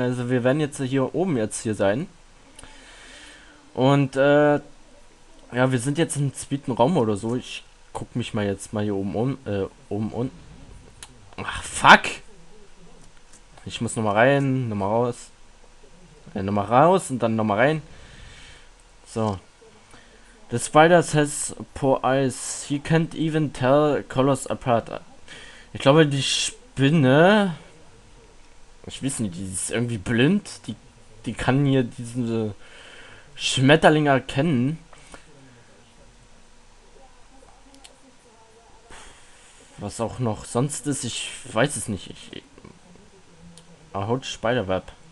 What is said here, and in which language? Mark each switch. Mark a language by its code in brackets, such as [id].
[de] Also, wir werden jetzt hier oben jetzt hier sein. Und, ja, wir sind jetzt im zweiten Raum oder so. Ich guck mich mal jetzt mal hier oben um. Oben und. Ach, fuck! Ich muss nochmal rein, nochmal raus. Nochmal raus und dann nochmal rein. So. [en] The spider has poor eyes. He can't even tell colors apart. [de] Ich glaube, die Spinne. Ich weiß nicht, die ist irgendwie blind. Die kann hier diese Schmetterlinge erkennen. Was auch noch sonst ist, ich weiß es nicht. Ahoj, Spiderweb.